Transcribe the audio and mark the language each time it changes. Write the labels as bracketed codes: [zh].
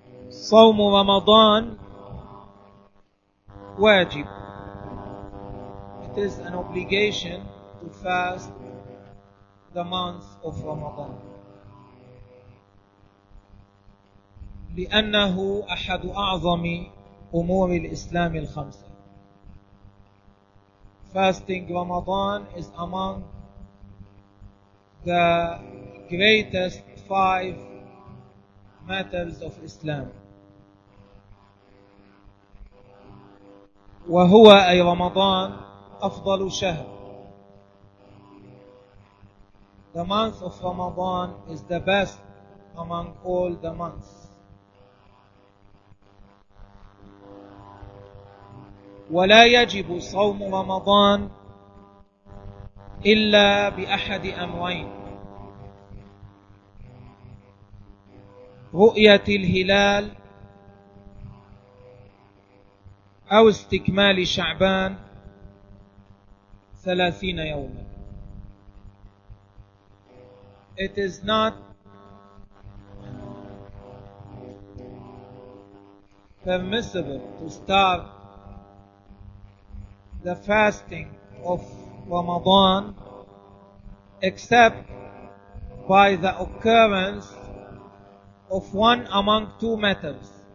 [ar] صوم رمضان واجب. [en] It is an obligation to fast the month of Ramadan. [ar] لأنه أحد أعظم أمور الإسلام الخمسة. [en] Fasting Ramadan is among the greatest five matters of Islam. [ar] وهو أي رمضان أفضل شهر. [en] The month of Ramadan is the best among all the months. [ar] ولا يجب صوم رمضان إلا بأحد أمرين: رؤية الهلال، أو استكمال شعبان 30 يوما. [en] It is not permissible to start the fasting of Ramadan except by the occurrence of one among two matters.